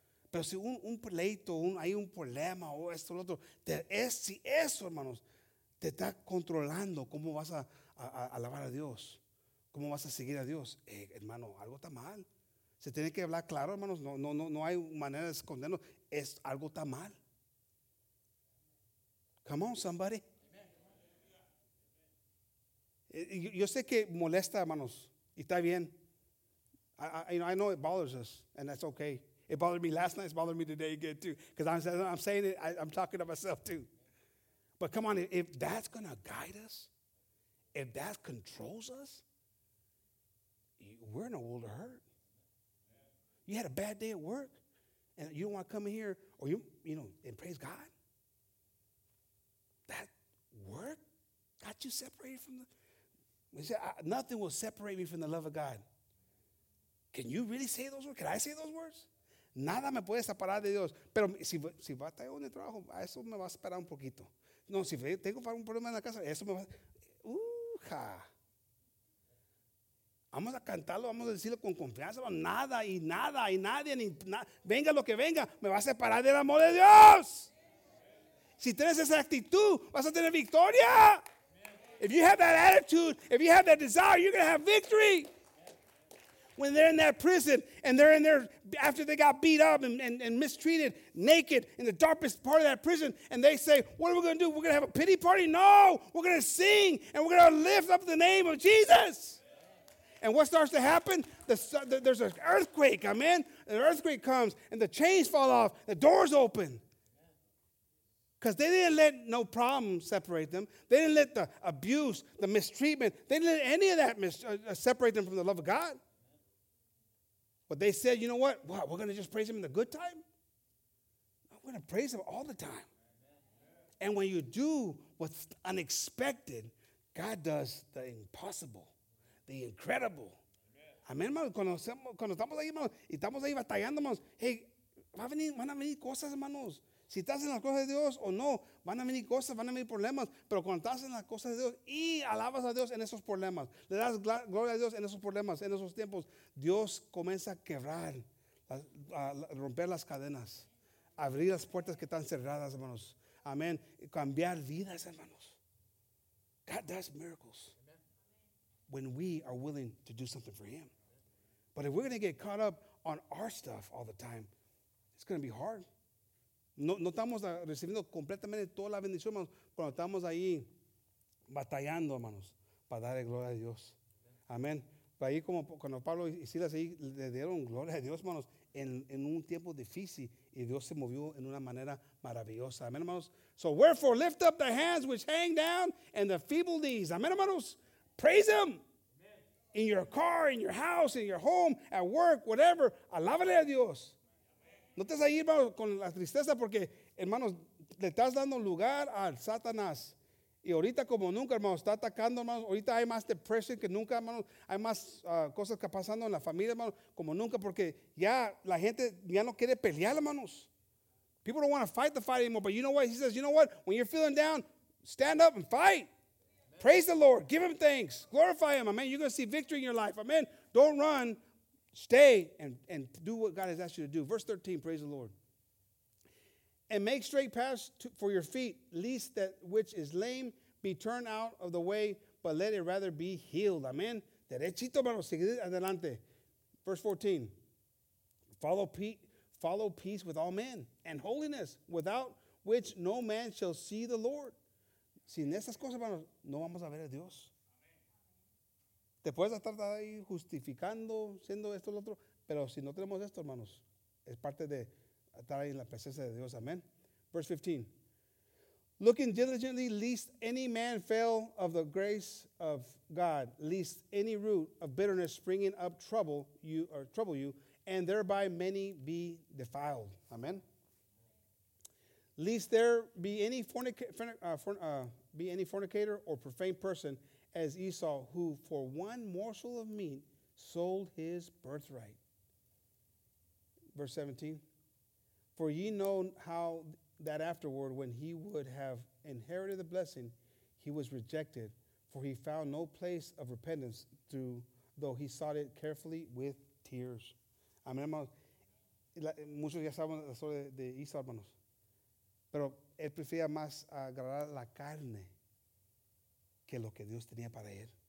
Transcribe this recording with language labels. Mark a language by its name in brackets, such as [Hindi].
[Spanish] Pero si un pleito, hay un problema o esto o lo otro, si eso, hermanos, te está controlando cómo vas a alabar a Dios, cómo vas a seguir a Dios, hermano, algo está mal. Se tiene que hablar claro, hermanos, no hay manera de escondernos, es algo está mal. [English] Come on, somebody. [Spanish] Yo sé que molesta, hermanos, y está bien. [English] I know it bothers us, and that's okay. It bothered me last night. It's bothering me today again, too. Because I'm saying it. I'm talking to myself, too. But come on. If that's going to guide us, if that controls us, we're in a world of hurt. You had a bad day at work, and you don't want to come in here, or you know, and praise God. That work got you separated from the... You say, nothing will separate me from the love of God. Can you really say those words? Can I say those words? [Spanish] Nada me puede separar de Dios. Pero si va a estar en el trabajo, eso me va a separar un poquito. No, si tengo un problema en la casa, eso me va a... ¡Uja! Vamos a cantarlo, vamos a decirlo con confianza. Nada y nada y nadie, ni venga lo que venga, me va a separar del amor de Dios. Si tienes esa actitud, vas a tener victoria. [English] If you have that attitude, if you have that desire, you're going to have victory. When they're in that prison and they're in there after they got beat up and mistreated, naked in the darkest part of that prison, and they say, what are we going to do? We're going to have a pity party? No, we're going to sing and we're going to lift up the name of Jesus. And what starts to happen? There's an earthquake, amen? An earthquake comes and the chains fall off, the doors open. Because they didn't let no problem separate them. They didn't let the abuse, the mistreatment, they didn't let any of that separate them from the love of God. But they said, you know what? What, we're going to just praise him in the good time? I'm going to praise him all the time. And when you do what's unexpected, God does the impossible, the incredible. [Spanish] Amen, hermano. Cuando estamos ahí, hermano, y estamos ahí batallando, hermanos. Hey, van a venir cosas, hermanos. Si estás en las cosas de Dios o no, van a venir cosas, van a venir problemas. Pero cuando estás en las cosas de Dios y alabas a Dios en esos problemas, le das gloria a Dios en esos problemas, en esos tiempos, Dios comienza a quebrar, a romper las cadenas, a abrir las puertas que están cerradas, hermanos. Amén. Cambiar vidas, hermanos. [English] God does miracles. Amen. When we are willing to do something for him. But if we're going to get caught up on our stuff all the time, it's going to be hard. [Spanish] No estamos recibiendo completamente toda la bendición, hermanos, cuando estamos ahí batallando, hermanos, para darle gloria a Dios. Amén. Pero ahí como cuando Pablo y Silas ahí le dieron gloria a Dios, hermanos, en un tiempo difícil, y Dios se movió en una manera maravillosa. Amén, hermanos. [English] So, wherefore, lift up the hands which hang down and the feeble knees. [Spanish] Amén, hermanos. [English] Praise him. In your car, in your house, in your home, at work, whatever. [Spanish] Alábale a Dios. No estés ahí, hermano, con la tristeza porque, hermanos, le estás dando lugar al Satanás. Y ahorita como nunca, hermano, está atacando, hermano. Ahorita hay más depresión que nunca, hermano. Hay más cosas que pasando en la familia, hermano, como nunca. Porque ya la gente ya no quiere pelear, hermanos. [English] People don't want to fight the fight anymore. But you know what? He says, you know what? When you're feeling down, stand up and fight. Amen. Praise the Lord. Give him thanks. Glorify him. Amen. You're going to see victory in your life. Amen. Don't run. Stay and do what God has asked you to do. Verse 13, praise the Lord. And make straight paths for your feet, lest that which is lame be turned out of the way, but let it rather be healed. Amen. [Spanish] Derechito, hermano, sigue adelante. [English] Verse 14. Follow peace with all men and holiness, without which no man shall see the Lord. [Spanish] Sin estas cosas, hermano, no vamos a ver a Dios. Te puedes estar ahí justificando, siendo esto o lo otro, pero si no tenemos esto, hermanos, es parte de estar ahí en la presencia de Dios. [English] Amén. Verse 15. Looking diligently, lest any man fail of the grace of God, lest any root of bitterness springing up trouble you, and thereby many be defiled. Amén. Lest there be any fornicator or profane person, as Esau, who for one morsel of meat sold his birthright. Verse 17. For ye know how that afterward, when he would have inherited the blessing, he was rejected, for he found no place of repentance, though he sought it carefully with tears. [Spanish] Amén, hermanos. Muchos ya saben la historia de Esau, hermanos. Pero él prefería más agarrar la carne que lo que Dios tenía para él.